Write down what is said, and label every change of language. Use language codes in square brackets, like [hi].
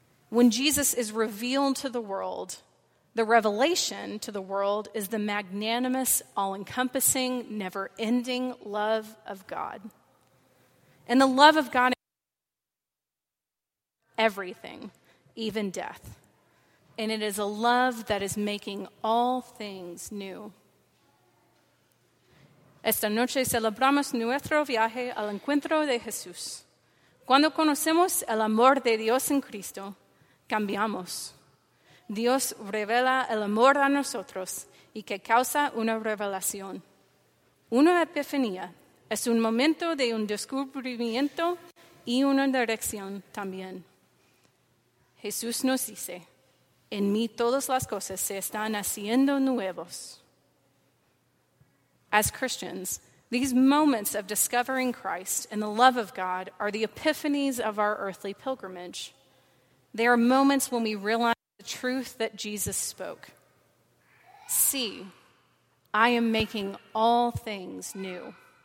[en] When Jesus is revealed to the world, the revelation to the world is the magnanimous, all-encompassing, never-ending love of God. And the love of God is everything, even death. And it is a love that is making all things new. [es] Esta noche celebramos nuestro viaje al encuentro de Jesús. Cuando conocemos el amor de Dios en Cristo, cambiamos. Dios revela el amor a nosotros y que causa una revelación. Una epifanía es un momento de un descubrimiento y una dirección también. Jesús nos dice, en mí todas las cosas se están haciendo nuevos. [en] As Christians, these moments of discovering Christ and the love of God are the epiphanies of our earthly pilgrimage. They are moments when we realize the truth that Jesus spoke. See, I am making all things new.